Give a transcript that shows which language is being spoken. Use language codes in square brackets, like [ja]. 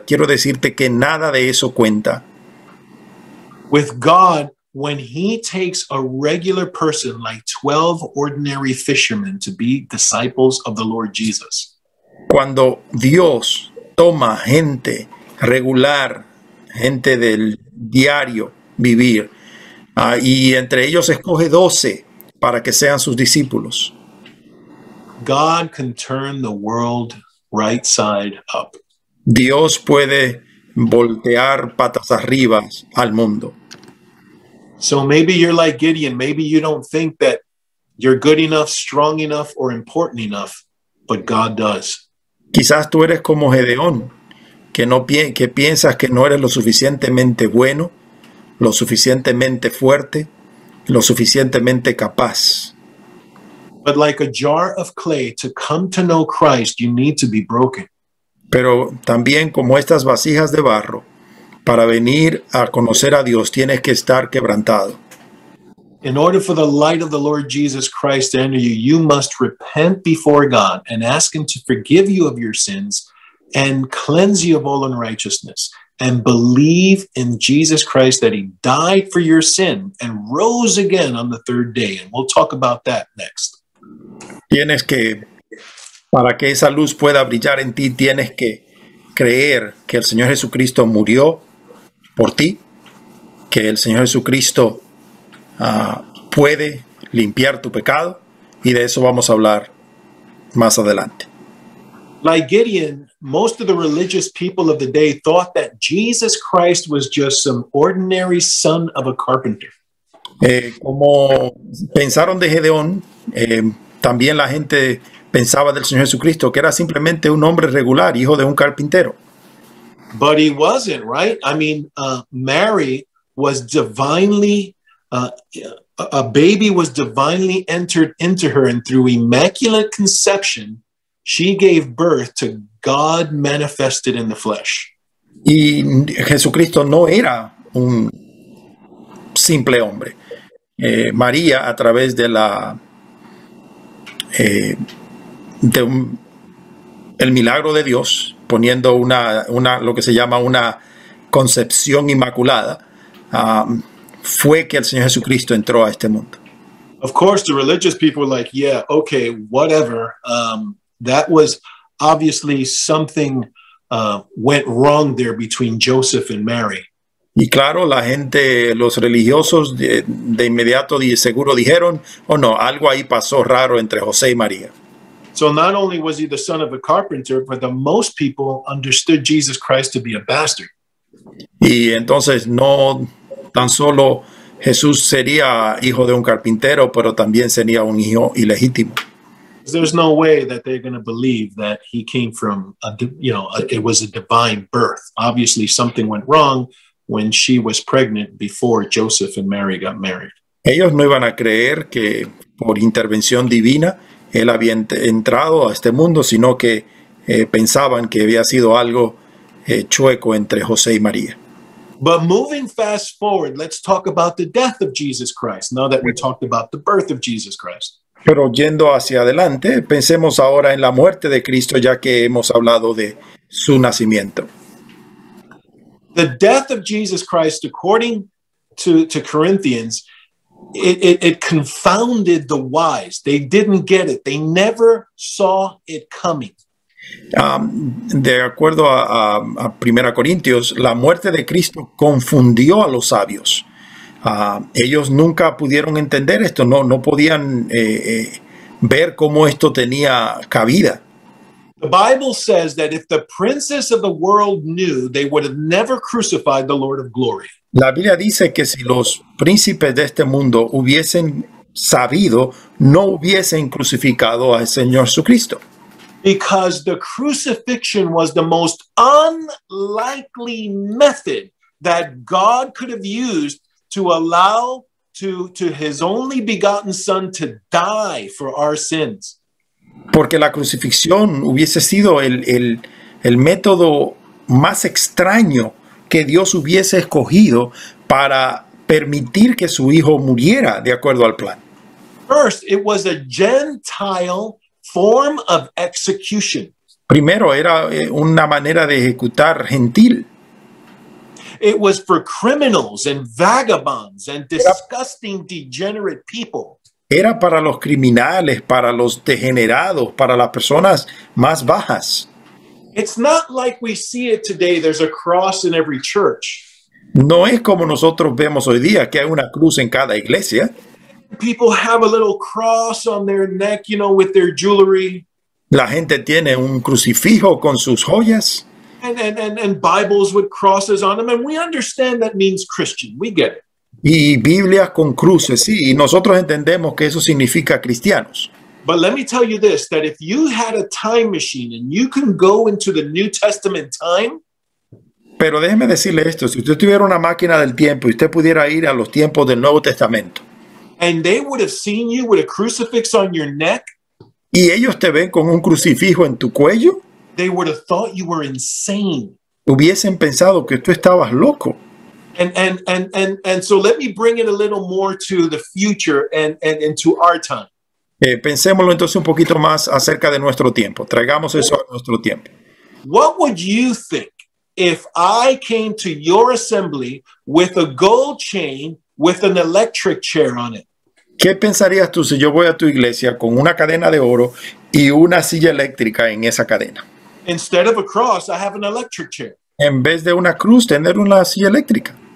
[es] Quiero decirte que nada de eso cuenta. [en] With God, when he takes a regular person like 12 ordinary fishermen to be disciples of the Lord Jesus, [es] Cuando Dios toma gente regular, gente del diario vivir, y entre ellos escoge 12 para que sean sus discípulos. [en] God can turn the world right side up. [es] Dios puede voltear patas arriba al mundo. [en] So maybe you're like Gideon, maybe you don't think that you're good enough, strong enough, or important enough, but God does. [es] Quizás tú eres como Gedeón, que piensas que no eres lo suficientemente bueno, lo suficientemente fuerte, lo suficientemente capaz. [en] But like a jar of clay, to come to know Christ, you need to be broken. [es] Pero también como estas vasijas de barro, para venir a conocer a Dios tienes que estar quebrantado. [en] In order for the light of the Lord Jesus Christ to enter you, you must repent before God and ask Him to forgive you of your sins and cleanse you of all unrighteousness and believe in Jesus Christ that He died for your sin and rose again on the third day. And we'll talk about that next. [es] Tienes que, para que esa luz pueda brillar en ti, tienes que creer que el Señor Jesucristo murió por ti, que el Señor Jesucristo puede limpiar tu pecado, y de eso vamos a hablar más adelante. [en] Like Gideon, most of the religious people of the day thought that Jesus Christ was just some ordinary son of a carpenter. [es] Como pensaron de Gedeón, también la gente pensaba del Señor Jesucristo, que era simplemente un hombre regular, hijo de un carpintero. [en] But he wasn't, right? I mean, Mary was divinely, a baby was divinely entered into her, and through immaculate conception, she gave birth to God manifested in the flesh. [es] Y Jesucristo no era un simple hombre. María, a través de la de un, el milagro de Dios, poniendo lo que se llama una concepción inmaculada, fue que el Señor Jesucristo entró a este mundo. [en] Of course, the religious people were like, yeah, okay, whatever. That was obviously something went wrong there between Joseph and Mary. [es] Y claro, la gente, los religiosos de inmediato y seguro dijeron, oh no, algo ahí pasó raro entre José y María. [en] So not only was he the son of a carpenter, but the most people understood Jesus Christ to be a bastard. [es] Y entonces no tan solo Jesús sería hijo de un carpintero, pero también sería un hijo ilegítimo. [en] There's no way that they're going to believe that he came from it was a divine birth. Obviously, something went wrong when she was pregnant before Joseph and Mary got married. [es] Ellos no iban a creer que por intervención divina él había entrado a este mundo, sino que pensaban que había sido algo chueco entre José y María. [en] But moving fast forward, let's talk about the death of Jesus Christ, now that we talked about the birth of Jesus Christ. [es] Pero yendo hacia adelante, pensemos ahora en la muerte de Cristo, ya que hemos hablado de su nacimiento. [en] The death of Jesus Christ, according to Corinthians, it confounded the wise. They didn't get it. They never saw it coming. [es] De acuerdo a Primera Corintios, la muerte de Cristo confundió a los sabios. Ellos nunca pudieron entender esto, no podían ver cómo esto tenía cabida. [en] The Bible says that if the princes of the world knew, they would have never crucified the Lord of Glory. [es] La Biblia dice que si los príncipes de este mundo hubiesen sabido, no hubiesen crucificado al Señor Jesucristo. [en] Because the crucifixion was the most unlikely method that God could have used to allow to his only begotten son to die for our sins. [es] Porque la crucifixión hubiese sido el método más extraño, que Dios hubiese escogido para permitir que su hijo muriera de acuerdo al plan. [en] First, it was a Gentile form of execution. [es] Primero, era una manera de ejecutar gentil. [en] It was for criminals and vagabonds and disgusting, degenerate people. [es] Era para los criminales, para los degenerados, para las personas más bajas. [en] It's not like we see it today. There's a cross in every church. [es] No es como nosotros vemos hoy día que hay una cruz en cada iglesia. [en] People have a little cross on their neck, you know, with their jewelry. [es] La gente tiene un crucifijo con sus joyas. [en] And Bibles with crosses on them. And we understand that means Christian. We get it. [es] Y Biblias con cruces, sí, y nosotros entendemos que eso significa cristianos. [en] But let me tell you this, that if you had a time machine and you can go into the New Testament time. [es] Pero déjeme decirle esto, si usted tuviera una máquina del tiempo y usted pudiera ir a los tiempos del Nuevo Testamento. [en] And they would have seen you with a crucifix on your neck. [es] Y ellos te ven con un crucifijo en tu cuello. [en] They would have thought you were insane. [es] Hubiesen pensado que tú estabas loco. [en] And so let me bring it a little more to the future and to our time. [es] Pensémoslo entonces un poquito más acerca de nuestro tiempo. Traigamos eso a nuestro tiempo. [en] What would you think if I came to your assembly with a gold chain with an electric chair on it? [es] ¿Qué pensarías tú si yo voy a tu iglesia con una cadena de oro y una silla eléctrica en esa cadena? [en] Instead of a cross, I have an electric chair. [es] En vez de una cruz, tener una silla eléctrica.